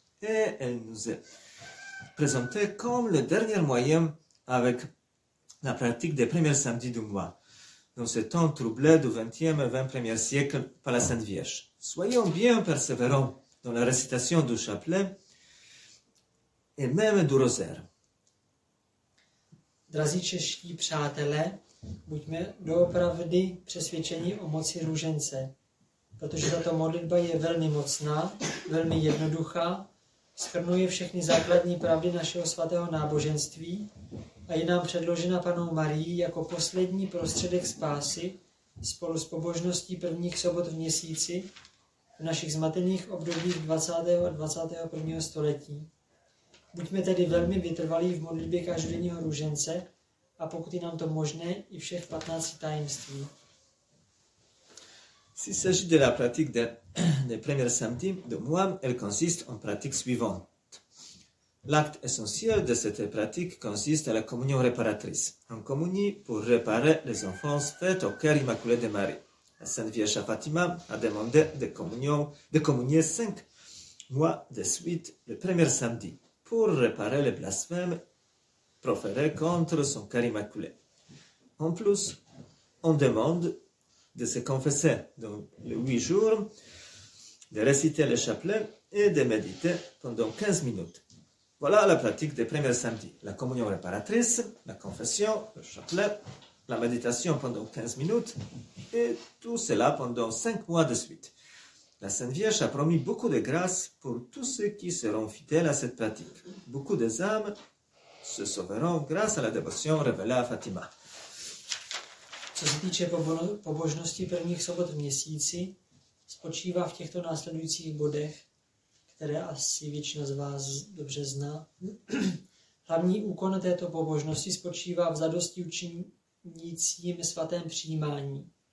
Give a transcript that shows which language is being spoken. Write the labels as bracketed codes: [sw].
[fr] Et elle nous est présentée comme le dernier moyen avec la pratique des premiers samedis du mois, dans ce temps troublé du 20e et 21e siècle par la Sainte Vierge. Soyons bien persévérants dans la récitation du chapelet et même du rosaire. [cs] Drazí čeští přátelé, buďme doopravdy přesvědčeni o moci růžence, protože tato modlitba je velmi mocná, velmi jednoduchá, shrnuje všechny základní pravdy našeho svatého náboženství a je nám předložena Panou Marií jako poslední prostředek spásy spolu s pobožností prvních sobot v měsíci v našich zmatených obdobích 20. a 21. století. Buďme tedy velmi vytrvalí v modlitbě každodenního růžence a pokud je nám to možné, i všech 15 tajemství. [fr] Si s'agit de la pratique des premiers samedis de mois, elle consiste en pratique suivante. L'acte essentiel de cette pratique consiste à la communion réparatrice, en communie pour réparer les offenses faites au cœur immaculé de Marie. La Sainte Vierge à Fatima a demandé de communier 5 mois de suite le premier samedi pour réparer les blasphèmes proférés contre son cœur immaculé. En plus, on demande de se confesser dans les 8 jours de réciter le chapelet et de méditer pendant 15 minutes. Voilà la pratique des premiers samedis. La communion réparatrice, la confession, le chapelet, la méditation pendant 15 minutes et tout cela pendant 5 mois de suite. La Sainte Vierge a promis beaucoup de grâce pour tous ceux qui seront fidèles à cette pratique. Beaucoup des âmes se sauveront grâce à la dévotion révélée à Fatima. [cs] Co se týče pobožnosti prvních sobot v měsíci, spočívá v těchto následujících bodech, které asi většina z vás dobře zná. Hlavní úkon této pobožnosti spočívá v zadosti učinícím svatém přijímání.